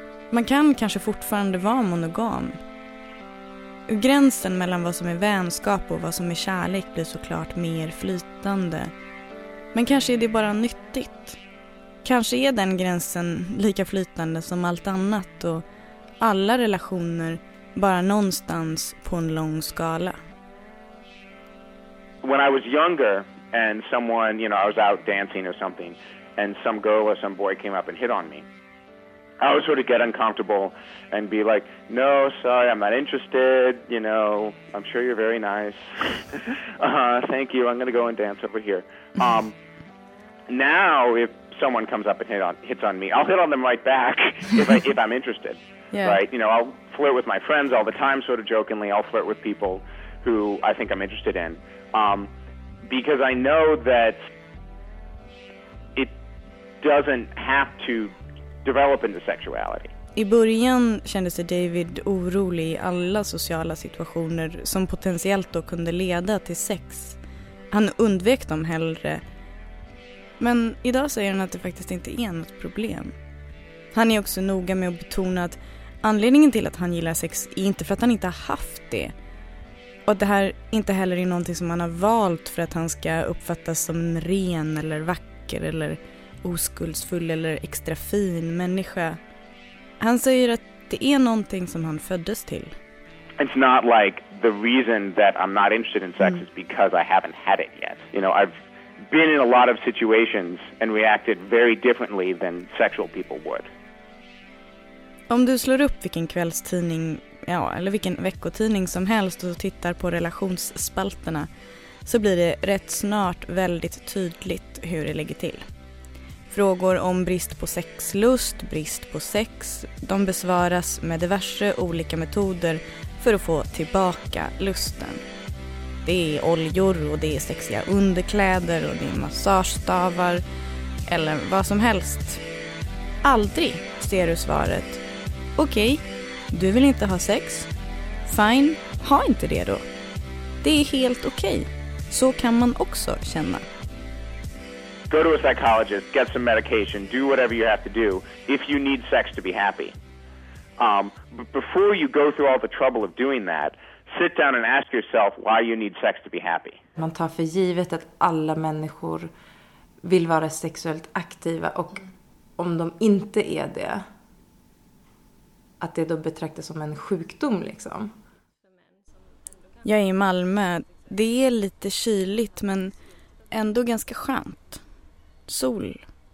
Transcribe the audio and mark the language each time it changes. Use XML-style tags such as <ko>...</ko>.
<sv>Man kan kanske fortfarande vara monogam. Gränsen mellan vad som är vänskap och vad som är kärlek blir såklart mer flytande. Men kanske är det bara nyttigt. Kanske är den gränsen lika flytande som allt annat och alla relationer bara någonstans på en lång skala.</sv> <en>When I was younger and someone, you know, I was out dancing or something and some girl or some boy came up and hit on me, I would sort of get uncomfortable and be like, no, sorry, I'm not interested, you know, I'm sure you're very nice. Thank you, I'm going to go and dance over here. Now, if someone comes up and hits on me, I'll hit on them right back if I'm interested. Yeah. Right? You know, I'll flirt with my friends all the time, sort of jokingly. I'll flirt with people who I think I'm interested in. Because I know that it doesn't have to develop into sexuality.</en> <sv>I början kände sig David orolig i alla sociala situationer som potentiellt då kunde leda till sex. Han undvek dem hellre. Men idag säger han att det faktiskt inte är något problem. Han är också noga med att betona att anledningen till att han gillar sex är inte för att han inte har haft det. Och det här inte heller är någonting som han har valt för att han ska uppfattas som en ren eller vacker eller oskuldsfull eller extra fin människa. Han säger att det är någonting som han föddes till.</sv> <en>It's not like the reason that I'm not interested in sex is because I haven't had it yet. You know, I've been in a lot of situations and reacted very differently than sexual people would.</en> <sv>Om du slår upp vilken kvällstidning, ja, eller vilken veckotidning som helst och tittar på relationsspalterna, så blir det rätt snart väldigt tydligt hur det ligger till. Frågor om brist på sexlust, brist på sex, de besvaras med diverse olika metoder för att få tillbaka lusten. Det är oljor och det är sexiga underkläder och det är massagestavar eller vad som helst. Aldrig, ser du svaret. Okej, du vill inte ha sex? Fine, ha inte det då. Det är helt okej. Så kan man också känna.</sv> <en>Go to a psychologist, get some medication, do whatever you have to do if you need sex to be happy. But before you go through all the trouble of doing that, sit down and ask yourself why you need sex to be happy.</en> <sv>Man tar för givet att alla människor vill vara sexuellt aktiva, och om de inte är det, att det då betraktas som en sjukdom liksom. Jag är i Malmö. Det är lite kyligt men ändå ganska skönt. Sol.</sv>